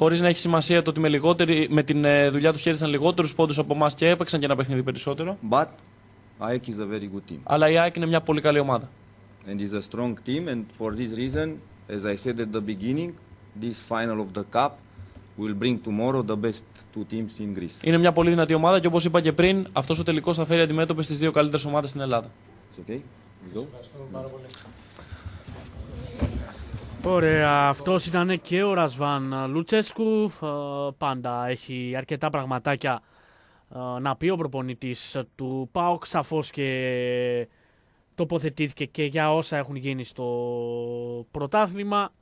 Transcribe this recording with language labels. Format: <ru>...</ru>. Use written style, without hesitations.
<el>Χωρίς να έχει σημασία το ότι με την δουλειά τους κέρδισαν λιγότερους πόντους από εμάς και έπαιξαν και ένα παιχνίδι περισσότερο.</el> <en>But AEK is a very good team.</en> <el>Αλλά η AEK είναι μια πολύ καλή ομάδα.</el> <en>And is a strong team and for this reason, as I said at the beginning, this final of the cup will bring tomorrow the best two teams in Greece.</en> <el>Είναι μια πολύ δυνατή ομάδα και όπως είπα και πριν, αυτός ο τελικός θα φέρει αντιμέτωπες τις δύο καλύτερες ομάδες στην Ελλάδα.</el> <en>It's okay. We go.</en> <el>Ωραία, αυτός ήταν και ο Ρασβάν Λουτσέσκου. Πάντα έχει αρκετά πραγματάκια να πει ο προπονητής του ΠΑΟΚ, σαφώς και τοποθετήθηκε και για όσα έχουν γίνει στο πρωτάθλημα.</el>